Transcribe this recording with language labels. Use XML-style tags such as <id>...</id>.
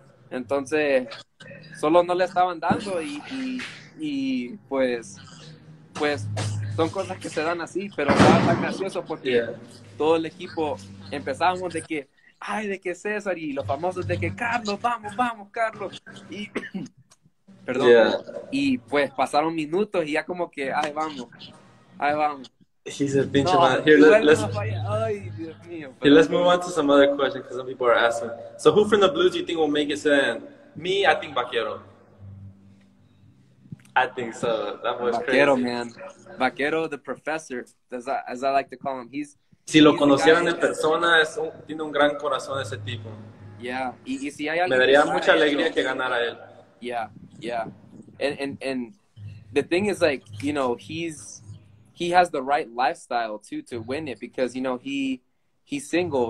<es>Entonces solo no le estaban dando y pues son cosas que se dan así, pero está gracioso porque todo el equipo empezábamos de que ay, de que César y los famosos de que Carlos, vamos, Carlos. Y perdón.</es> <en>Yeah.</en> <es>Y pues pasaron minutos y ya como que ahí vamos.</es> <en>He's a pinche man. Here, let's.</en> <es>Ay, Dios mío.</es> <en>Here, let's move on to some other questions because some people are asking. So, who from the Blues do you think will make it? And me, I think Vaquero. I think so. That was crazy. Vaquero, man. Vaquero, the professor, as I like to call him. He's.</en> <es>Si lo conocieran en persona, tiene un gran corazón ese tipo. Yeah. Y si hay alguien me daría mucha alegría que ganara él.</es> <en>Yeah. And the thing is, like, you know, he has the right lifestyle too to win it because, you know, he's single.</en>